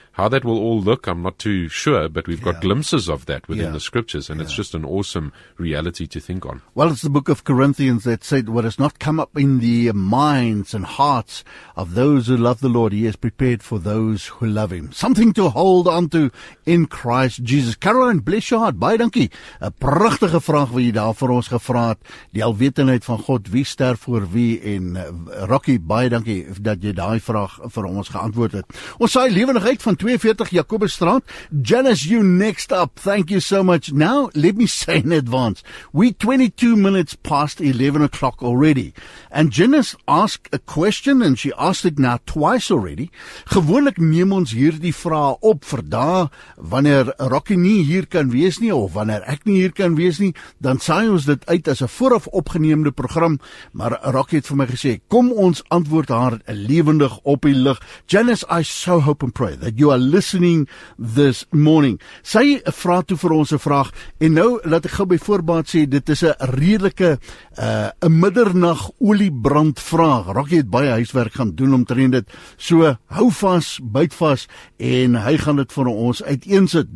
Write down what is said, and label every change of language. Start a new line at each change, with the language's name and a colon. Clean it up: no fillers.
English: How that will all look, I'm not too sure, but we've got glimpses of that within the scriptures, and it's just an awesome reality to think on. Well, it's the book of Corinthians that said, what has not come up in the minds and hearts of those who love the Lord, he has prepared for those who love him. Something to hold on to in Christ Jesus. Caroline, bless your heart.
Afrikaans: Baie dankie. 'N pragtige vraag wat jy daar vir ons gevra het. Die alwetendheid van God, wie sterf voor wie? En Rocky, baie dankie dat jy daai vraag vir ons geantwoord het. Ons saai lewendigheid van
English: 42 Jacobusstraat. Janice, you next up. Thank you so much. Now, let me say in advance, we 22 minutes past 11 o'clock already. And Janice asked a question, and she asked it now twice already.
Afrikaans: Gewoonlik neem ons hier die vraag op vir daar, wanneer Rocky nie hier kan wees nie, of wanneer ek nie hier kan wees nie, dan saai ons dit uit as 'n vooraf opgeneemde program. Maar Rocky het vir my gesê, kom ons antwoord haar lewendig op die lig.
English: Janice, I so hope and pray that you are listening this morning.
Afrikaans: Sy vra toe vir ons 'n vraag, en nou laat ek gou by voorbaat sê, dit is 'n redelike 'n middernag oliebrand vraag. Rocky het baie huiswerk gaan doen omtrent dit. So hou vas, byt vas, en hy gaan dit vir ons uiteensit.